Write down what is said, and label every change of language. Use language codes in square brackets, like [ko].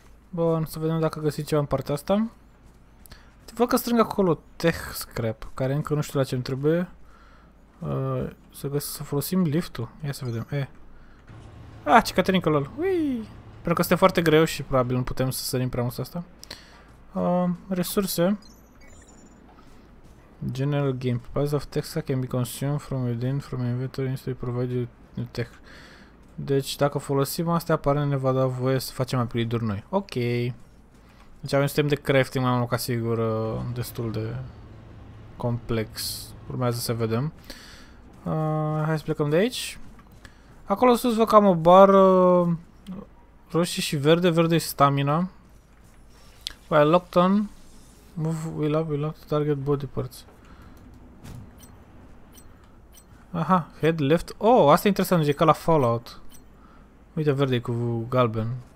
[ro] Bun, să vedem dacă găsim ceva în partea asta. Te văd că strâng acolo tech scrap, care încă nu știu la ce îmi trebuie. Să folosim liftul. Ia să vedem. Ah, ce caterincă lol. Uii! Pentru că este foarte greu și probabil nu putem să sărim prea mult asta. Resurse. [en] General game. Piles of tech scrap can be consumed from within, from inventory, instead of providing tech. [ro] Deci, dacă folosim astea, aparent ne va da voie să facem upgrade-uri noi. Ok. Deci avem un sistem de crafting, mai am ca sigur, destul de complex. Urmează să vedem. Hai să plecăm de aici. Acolo sus văd că am o bară roșie și verde. Verde e stamina. Păi, [en] locked on. Move, we lock to target body parts. [ro] Aha, [en] head left. [ro] Oh, asta e interesant, e ca la Fallout. Uite, verde cu galben.